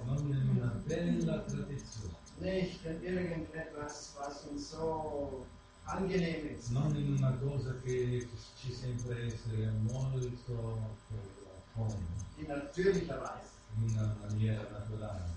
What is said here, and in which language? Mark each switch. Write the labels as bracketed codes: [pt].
[it] Non in una bella tradizione. [de] Nicht in irgendetwas, was uns so angenehm ist. [it] Non in una cosa che ci sembra essere molto comodo. [de] In natürlicher Weise. [it] In una maniera naturale.